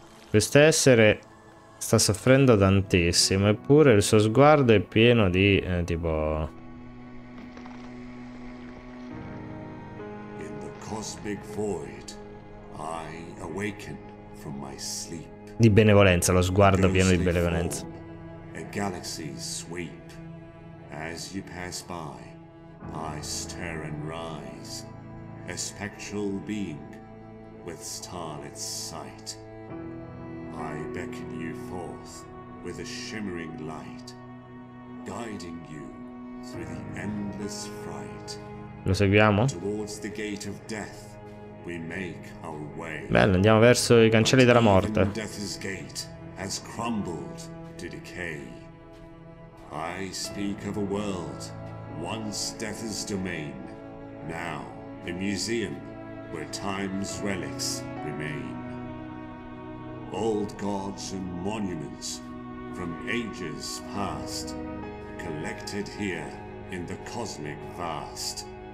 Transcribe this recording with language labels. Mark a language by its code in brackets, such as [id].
[it] Questo essere sta soffrendo tantissimo, eppure il suo sguardo è pieno di tipo... [en] Big void, I awaken from my sleep. [it] Di benevolenza, lo sguardo pieno di benevolenza. [en] A galaxy sweep. As you pass by, I stir and rise. A spectral being with starlit sight. I beckon you forth with a shimmering light, guiding you through the endless fright. [it] Lo seguiamo? [en] Towards the gate of death. We make our way. [it] Bello, andiamo verso i cancelli della morte. [en] Death's gate has crumbled to decay. I speak of a world once death's domain, now a museum where time's relics remain. Old gods and monuments from ages past, collected here in the cosmic vast.